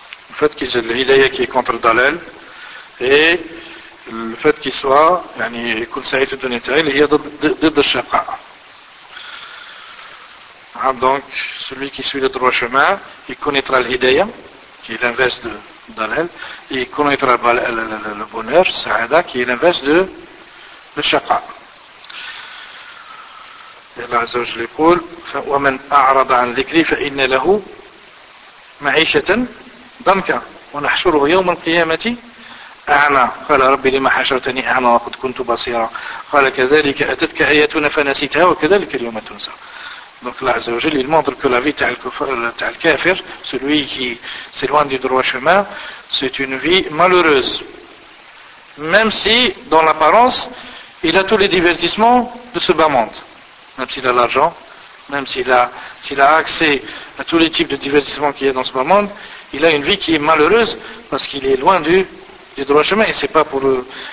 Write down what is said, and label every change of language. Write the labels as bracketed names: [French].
[French] Le fait qu'il y ait l'hidayah qui est contre le dalal et le fait qu'il soit, yani, kul sa'id ibn ta'il, il y a de shaqa. Donc, celui qui suit le droit chemin, il connaîtra l'hidayah, qui est l'inverse de dalal, et connaître le bonheur, sa'ada, qui est l'inverse de le shaqa. Et Allah Azza wa Jalla dit: [Arabic] وَمَنْ أَعْرَضَ عَنْ ذِكْرِي فَإِنَّ لَهُ مَعِيشَةً ضَنْكًا وَنَحْشُرُهُ يَوْمَ الْقِيَامَةِ أعمى. قال ربي لما حشرتني أعمى وقد كنت بصيرا. قال كذلك أتتك آياتنا فنسيتها وكذلك اليوم تنسى. [French] Donc Allah Azza wa Jalla, il montre que la vie de Al-Kafir, celui qui s'éloigne du droit chemin, c'est une vie malheureuse. Même si, dans l'apparence, il a tous les divertissements de ce bas monde. Même s'il a l'argent, même s'il a accès à tous les types de divertissements qu'il y a dans ce bas monde, il a une vie qui est malheureuse parce qu'il est loin du droit chemin. Et c'est pas pour eux.